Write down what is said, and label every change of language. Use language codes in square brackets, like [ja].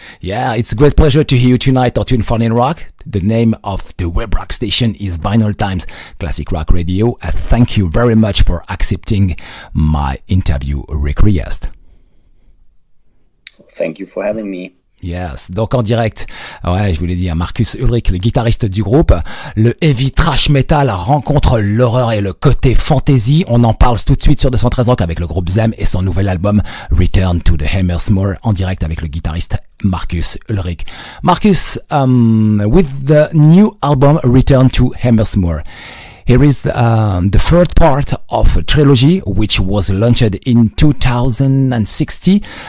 [en] Yeah, it's a great pleasure to hear you tonight on Tune Funny Rock. The name of the web rock station is Vinylestimes Classic Rock Radio. Thank you very much for accepting my interview request. Thank you for having me. [fr] Yes, donc en direct, ouais, je vous l'ai dit, Markus Ullrich, le guitariste du groupe, le heavy thrash metal rencontre l'horreur et le côté fantasy, on en parle tout de suite sur 213 Rock avec le groupe Zem et son nouvel album Return to the Hemmersmoor en direct avec le guitariste Markus Ullrich. [en] Markus, with the new album Return to Hemmersmoor, here is the third part of a trilogy which was launched in 2016.